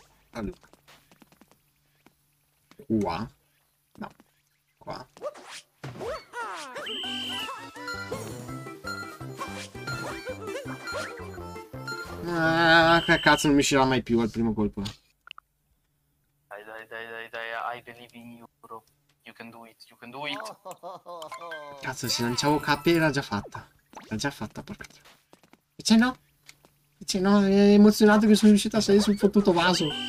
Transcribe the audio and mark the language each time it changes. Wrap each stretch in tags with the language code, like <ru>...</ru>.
<it>Allora. Qua. No. Qua. Che cazzo, non mi uscirà mai più al primo colpo.</it> <en>Dai, dai, dai, dai, dai, I believe in you, bro. You can do it, you can do it.</en> <it>Cazzo, se lanciavo capi era già fatta. L'ha già fatta, porca. Invece no, è emozionato che sono riuscito a salire sul fottuto vaso.</it>